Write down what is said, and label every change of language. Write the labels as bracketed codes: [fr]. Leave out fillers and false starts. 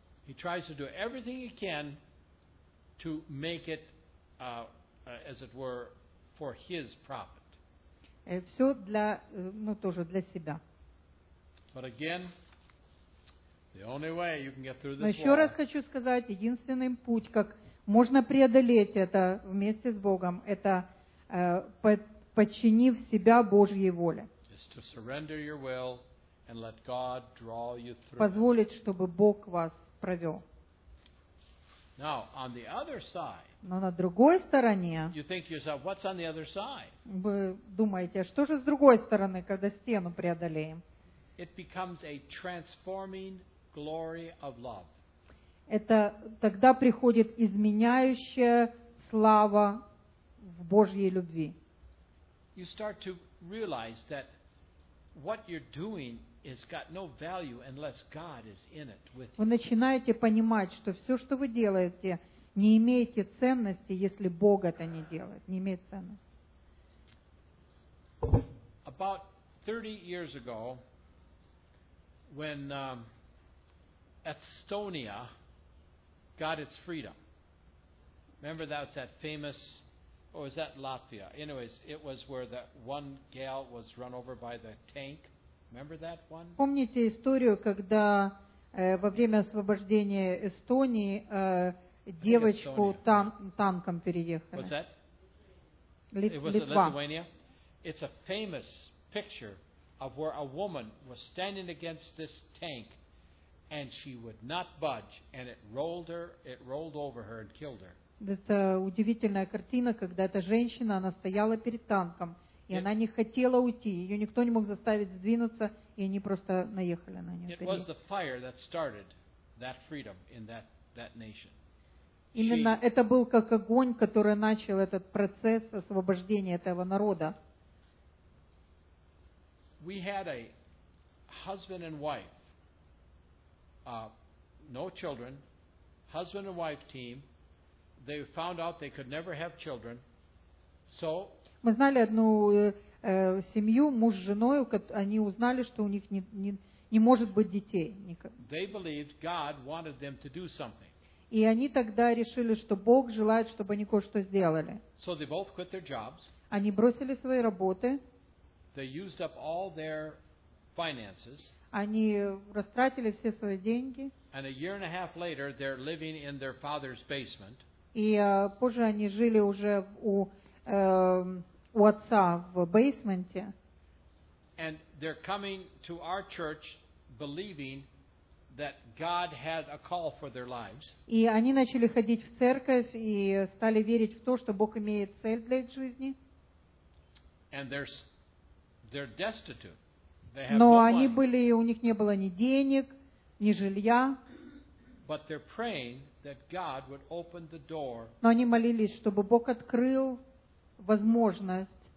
[en] He tries to do everything he can to make it as it were, for his profit. [ru] Все для, ну, тоже для себя. [en] But again, the only way you can get through this wall. [ru] Еще раз хочу сказать, единственный путь, как можно преодолеть это вместе с Богом, это подчинив себя Божьей воле. [en] Is to surrender your will and let God draw you through. [ru] Позволить, чтобы Бог вас провел. [en] Now, on the other side, [ru] Но на другой стороне [en] you think yourself, what's on the other side? [ru] Вы думаете, а что же с другой стороны, когда стену преодолеем? [en] It becomes a transforming glory of love. [ru] Это тогда приходит изменяющая слава в Божьей любви. [en] You start to realize that what you're doing It's got no value unless God is in it with you. [ru] Вы начинаете понимать, что все, что вы делаете, не имеете ценности, если Бог это не делает, не имеет ценности. [en] About 30 years ago, when Estonia got its freedom, remember that's that famous, or was that Latvia? Anyways, it was where that one gal was run over by the tank. Remember that one? [ru] Помните историю, когда во время освобождения Эстонии девочку танком переехали? [en] Was that? Lithuania. It's a famous picture of where a woman was standing against this tank and she would not budge and it rolled over her and killed her. [ru] Это удивительная картина, когда эта женщина, она стояла перед танком. И она не хотела уйти. Ее никто не мог заставить сдвинуться, и они просто наехали на нее. [en] It was the fire that started that freedom in that nation. [ru] Именно это был как огонь, который начал этот процесс освобождения этого народа. [en] We had a husband and wife, no children, husband and wife team. They found out they could never have children, so. [ru] Мы знали одну семью, муж с женой, они узнали, что у них не может быть детей. [en] They believed God wanted them to do something. [ru] И они тогда решили, что Бог желает, чтобы они кое-что сделали. [en] So they both quit their jobs. [ru] Они бросили свои работы. [en] They used up all their finances. [ru] Они растратили все свои деньги. [en] And a year and a half later, they're living in their father's basement. [ru] И позже они жили уже у отца в бейсменте. [en] And they're coming to our church believing that God had a call for their lives. [ru] И они начали ходить в церковь и стали верить в то, что Бог имеет цель для их жизни. [en] And they're destitute. They have [ru] Но они были, у них не было ни денег, ни жилья. [en] But they're praying that God would open the door. [ru] Но они молились, чтобы Бог открыл возможность.